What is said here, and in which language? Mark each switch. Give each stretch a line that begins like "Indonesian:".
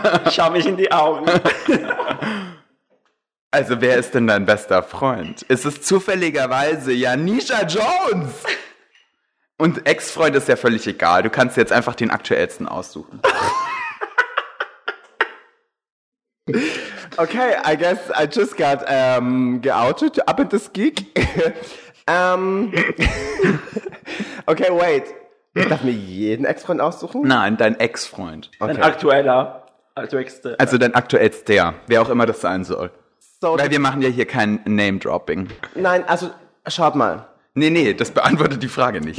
German: Schau mich in die Augen. Also, wer ist denn dein bester Freund? Ist es zufälligerweise Janisha Jones? Und Ex-Freund ist ja völlig egal. Du kannst jetzt einfach den aktuellsten aussuchen.
English: Okay, I guess I just got geoutet up at this gig. Okay, wait.
German: Ich darf mir jeden Ex-Freund aussuchen? Nein, dein Ex-Freund. Okay. Dein aktueller. Also dein aktuellster, wer auch immer das sein soll. So, weil wir machen ja hier kein Name-Dropping. Nein, also schaut mal. Nee, das beantwortet die Frage nicht.